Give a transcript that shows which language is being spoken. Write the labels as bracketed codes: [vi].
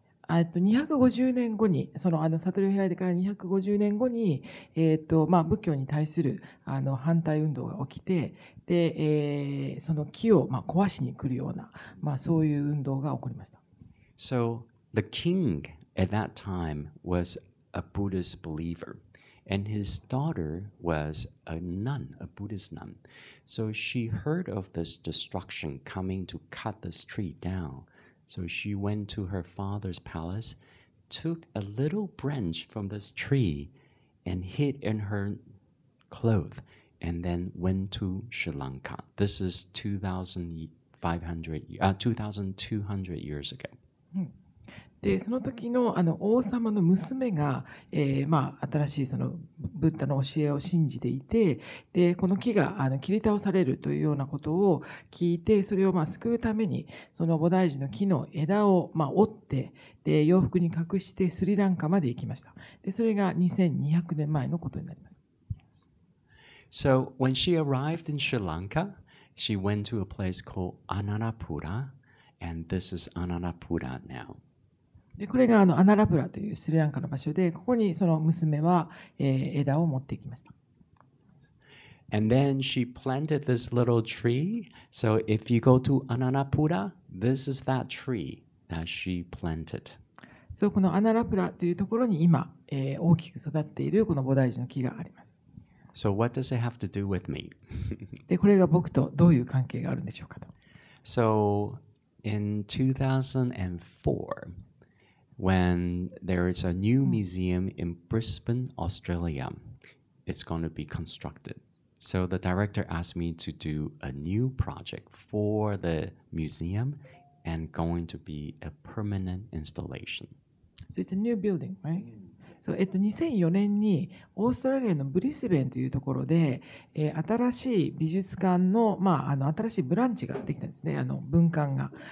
[ja] 250年後に、悟りを開いてから250年後に、まあ、仏教に対する反対運動が起きて、で、その木を、まあ、壊しに来るような、まあ、そういう運動が起こりました。 [en] So, the king at that time was a Buddhist believer, and his daughter was a nun, a Buddhist nun. So she heard of this destruction coming to cut this tree down. So she went to her father's palace, took a little branch from this tree and hid in her cloth, and then went to Sri Lanka. This is 2,200 years ago.、 [ja] で、その時の、王様の娘が、まあ、新しいそのブッダの教えを信じていて、で、この木が切り倒されるというようなことを聞いて、それを、まあ、救うためにその菩提樹の木の枝を、まあ、折って、で、洋服に隠してスリランカまで行きました。で、それが2200年前のことになります。 [en] So when she arrived in Sri Lanka, she went to a place called Ananapura, and this is Ananapura now. [ja] で、これがアナラプラというスリランカの場所で、ここにその娘は、枝を持っていきました。 [en] And then she planted this little tree. So if you go to Ananapura, this is that tree that she planted. [ja] So このアナラプラというところに今、大きく育っているこの菩提樹の木があります。 [en] So what does it have to do with me? [ja] で、これが僕とどういう関係があるんでしょうかと。 [en] So in 2004,When there is a new museum in Brisbane, Australia, it's going to be constructed. So the director asked me to do a new project for the museum and going to be a permanent installation. So it's a new building, right? [ja] So, 2004年にオーストラリアのブリスベンというところで、新しい美術館 の、まあ、新しいブランチができたんですね、文館が。